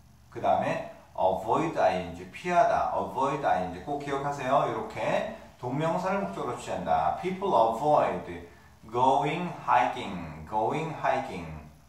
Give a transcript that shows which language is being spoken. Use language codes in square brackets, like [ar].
[ko] 그 다음에 [en] avoid ing, [ko] 피하다, [en] avoid ing. [ko] 꼭 기억하세요. 이렇게 동명사를 목적으로 취한다. [en] People avoid going hiking, going hiking.